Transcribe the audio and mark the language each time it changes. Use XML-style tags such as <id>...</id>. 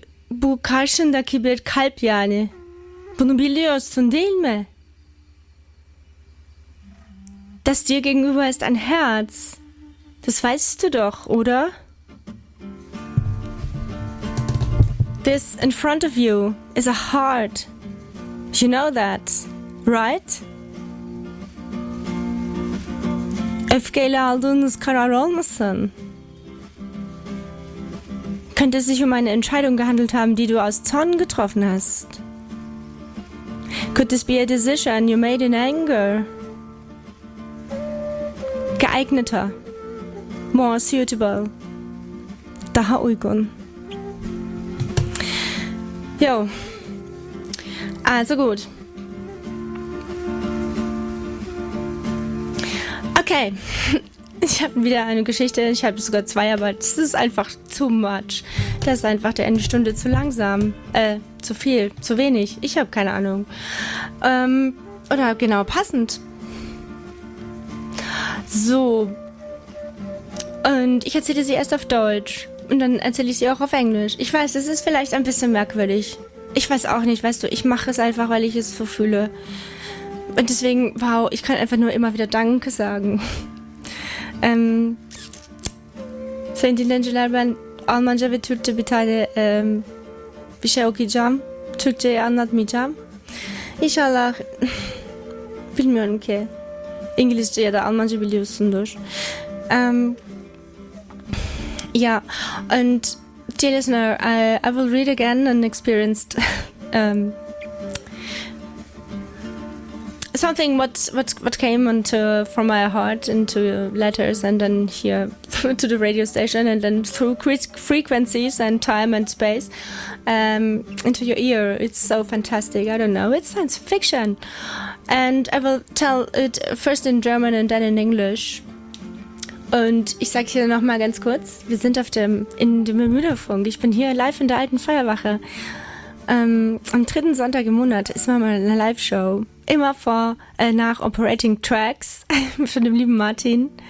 <tr>bu karşındaki bir kalp yani. Bunu biliyorsun değil mi?</tr> <de>Das dir gegenüber ist ein Herz. Das weißt du doch, oder?</de> <en>This in front of you is a heart. You know that, right?</en> <tr>Öfkeyle aldığınız karar olmasın.</tr> <de>Könnte es sich um eine Entscheidung gehandelt haben, die du aus Zorn getroffen hast?</de> <en>Could this be a decision you made in anger?</en> <de>Geeigneter.</de> <en>More suitable.</en> <tr>Daha uygun.</tr> <de>Jo. Also gut.</de> <en>Okay.</en> <de>Ich habe wieder eine Geschichte. Ich habe sogar zwei, aber das ist einfach</de> <en>too much.</en> <de>Das ist einfach der eine Stunde zu langsam. Zu viel. Zu wenig. Ich habe keine Ahnung. Oder genau passend. So. Und ich erzähle sie erst auf Deutsch. Und dann erzähle ich sie auch auf Englisch. Ich weiß, das ist vielleicht ein bisschen merkwürdig. Ich weiß auch nicht, weißt du, ich mache es einfach, weil ich es so fühle. Und deswegen, wow, ich kann einfach nur immer wieder Danke sagen.</de> <tr>Sayın dinleyiciler, ben Almanca ve Türkçe bir tane bir şey okuyacağım. Türkçeyi anlatmayacağım. İnşallah, bilmiyorum ki, İngilizce ya da Almanca biliyorsundur.</tr> <de>Ja, und</de> <en>dear listener, I will read again an experienced something what came into from my heart into letters and then here to the radio station and then through frequencies and time and space into your ear. It's so fantastic. I don't know. It's science fiction. And I will tell it first in German and then in English.</en> <de>Und ich sage hier nochmal ganz kurz, wir sind in dem Bermuda-Funk. Ich bin hier live in der alten Feuerwache. Am dritten Sonntag im Monat ist mal eine Live-Show. Immer vor, nach Operating Tracks von dem lieben Martin.</de>